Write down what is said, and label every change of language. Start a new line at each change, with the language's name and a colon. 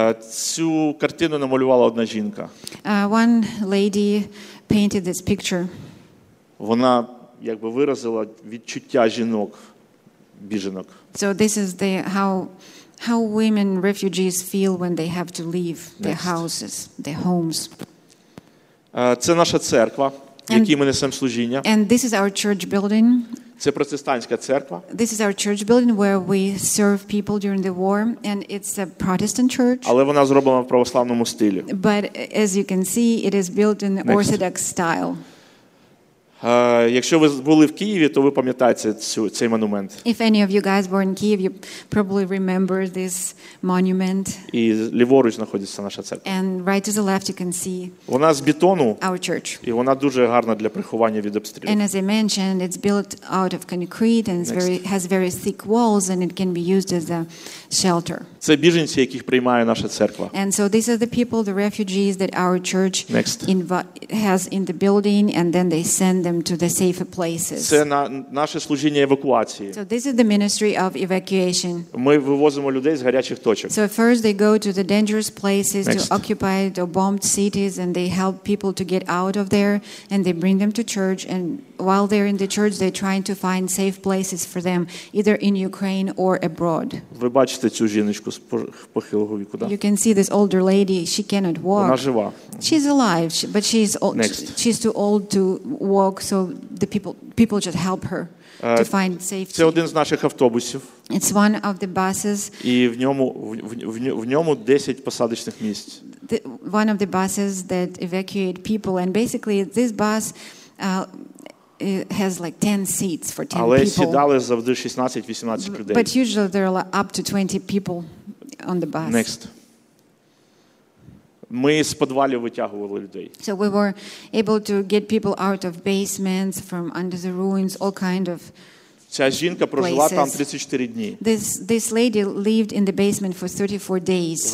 Ukrainian: Цю картину намалювала одна жінка.
English: One lady painted this picture.
Ukrainian: Вона якби виразила відчуття жінок, біженок.
English: So this is the how women refugees feel when they have to leave their houses, their homes.
Ukrainian: Це наша церква, якій ми несемо служіння.
English: And this is our church building.
Ukrainian: Це протестантська церква.
English: This is our church building where we serve people during the war, and it's a Protestant church.
Ukrainian: Але вона зроблена в православному стилі.
English: But as you can see, it is built in Orthodox style.
Ukrainian: Якщо ви були в Києві, то ви пам'ятаєте цей монумент.
English: If any of you guys were in Kyiv, you probably remember this monument.
Ukrainian: І ліворуч знаходиться наша церква.
English: And right to the left you can see.
Ukrainian: Вона з бетону.
English: Our church.
Ukrainian: І вона дуже гарна для приховання від обстрілів.
English: And as I mentioned, it's built out of concrete and has very thick walls and it can be used as a shelter.
Ukrainian: Це біженці, яких приймає наша церква.
English: And so these are the people, the refugees that our church has in the building, and then they send them to the safer places.
Ukrainian: Це наше служіння евакуації.
English: So this is the ministry of evacuation.
Ukrainian: Ми вивозимо людей з гарячих точок.
English: So first they go to the dangerous places, to occupied or bombed cities, and they help people to get out of there, and they bring them to church, and while they're in the church, they're trying to find safe places for them, either in Ukraine or abroad.
Ukrainian: Ви бачите цю жіночку з похилого віку, да?
English: You can see this older lady, she cannot walk.
Ukrainian: Вона жива.
English: She's alive, but she's too old to walk, so the people just help her to find safety.
Ukrainian: Це один з наших автобусів.
English: It's one of the buses.
Ukrainian: І в ньому 10 посадочних місць.
English: One of the buses that evacuate people, and basically this bus it has like 10 seats for 10
Ukrainian: але
English: people.
Ukrainian: Але сідали завжди 16-18 людей.
English: But usually there are up to 20 people on the bus. Next.
Ukrainian: Ми з підвалів витягували людей.
English: So we were able to get people out of basements, from under the ruins, all kind of places.
Ukrainian: Ця жінка прожила там 34 дні.
English: This lady lived in the basement for 34 days.